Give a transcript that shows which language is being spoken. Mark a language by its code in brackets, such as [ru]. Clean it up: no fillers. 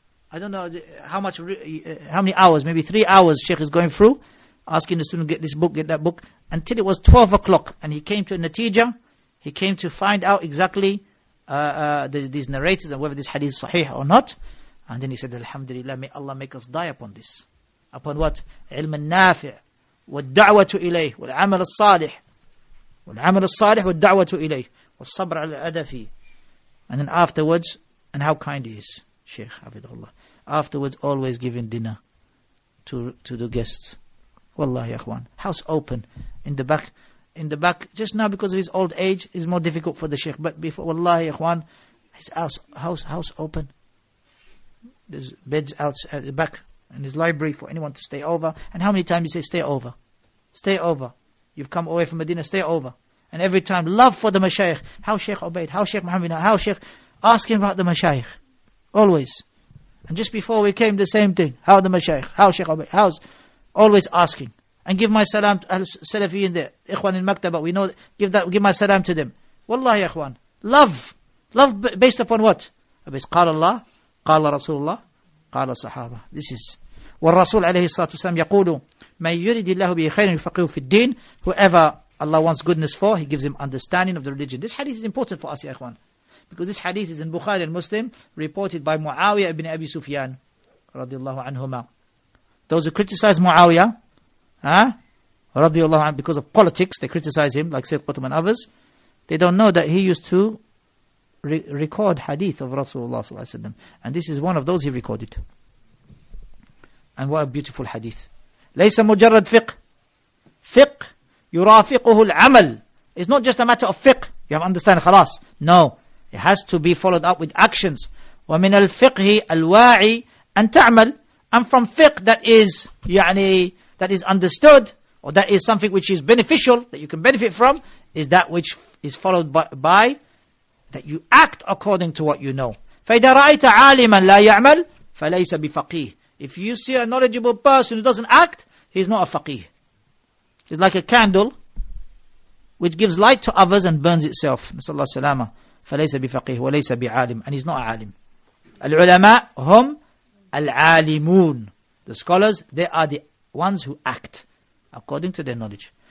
[en] I don't know how many hours, maybe 3 hours, Sheikh is going through, asking the student, get this book, get that book. Until it was 12 o'clock, and he came to a natija, he came to find out exactly these narrators, and whether this hadith is sahih or not. And then he said, Alhamdulillah, may Allah make us die upon this. Upon what? [ar] علم النافع والدعوة إليه والعمل الصالح والعمل الصالح والدعوة إليه والصبر على الأدفي. [en] And then afterwards, and how kind he is, Sheikh Hafidhullah. Afterwards, always giving dinner to the guests. Wallahi, Akhwan. House open in the back. In the back, just now because of his old age, is more difficult for the Sheikh. But before, Wallahi, Akhwan, his house open. There's beds out at the back in his library for anyone to stay over. And how many times you say, stay over? Stay over. You've come away from Medina, stay over. And every time, love for the Mashaykh. How Shaykh Ubaid, how Shaykh Muhammad, how Shaykh, asking about the Mashaykh. Always. And just before we came, the same thing. How the Mashaykh, how Shaykh Ubaid, how's, always asking. And give my salam to Salafi in there. Ikhwan in Maktaba, we know, give my salam to them. Wallahi, Ikhwan. Love based upon what? Based Qala Allah, Qala Rasulullah, Qala Sahaba. This is. [ar] والرسول عليه الصلاة والسلام يقول من يريد الله به خيرا يفقهه في الدين. [en] Whoever Allah wants goodness for, He gives him understanding of the religion. This hadith is important for us, ya ikhwan. Because this hadith is in Bukhari and Muslim, reported by Muawiyah ibn Abi Sufyan, رضي الله عنهما. Those who criticize Muawiyah, رضي الله عنه, because of politics, they criticize him, like Sayyid Qutb and others, they don't know that he used to record hadith of Rasulullah صلى الله عليه وسلم. And this is one of those he recorded. And what a beautiful hadith. [ar] ليس مجرد فقه. فقه يرافقه العمل. [en] It's not just a matter of fiqh. You have understand, خلاص. No. It has to be followed up with actions. [ar] ومن الفقه الواعي أن تعمل. [en] And from fiqh that is, يعني, that is understood, or that is something which is beneficial, that you can benefit from, is that which is followed by that you act according to what you know. [ar] فإذا رأيت عالما لا يعمل فليس بفقيه. [en] If you see a knowledgeable person who doesn't act, he's not a faqih. He's like a candle which gives light to others and burns itself. [ar] Nasallahu salama. فَلَيْسَ بِفَقِيهِ وَلَيْسَ بِعَالِمٍ. [en] And he's not a alim. [ar] العُلَمَاء هُمْ الْعَالِمُونَ. [en] The scholars, they are the ones who act according to their knowledge.